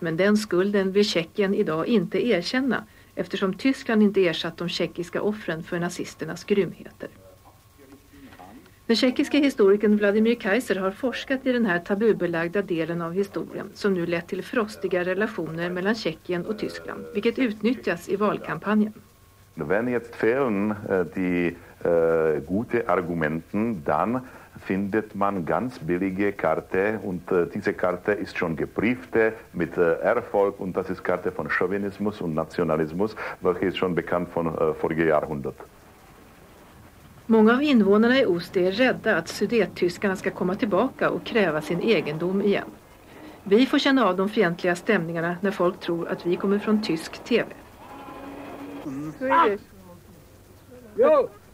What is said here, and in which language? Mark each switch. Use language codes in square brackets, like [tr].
[sv] Men den skulden vill Tjeckien idag inte erkänna eftersom Tyskland inte ersatt de tjeckiska offren för nazisternas grymheter. Den tjeckiska historikern Vladimir Kaiser har forskat i den här tabubelagda delen av historien som nu lett till frostiga relationer mellan Tjeckien och Tyskland, vilket utnyttjas i valkampanjen. [de] Wenn jetzt fehlen die gute Argumenten, dann findet man ganz billige Karte und diese Karte ist schon geprüft mit Erfolg und das ist Karte von Chauvinismus und Nationalismus, welche ist schon bekannt von vorige Jahrhundert. [sv] Många av invånarna i Ost är rädda att sudettyskarna ska komma tillbaka och kräva sin egendom igen. Vi får känna av de fientliga stämningarna när folk tror att vi kommer från tysk tv. Jo!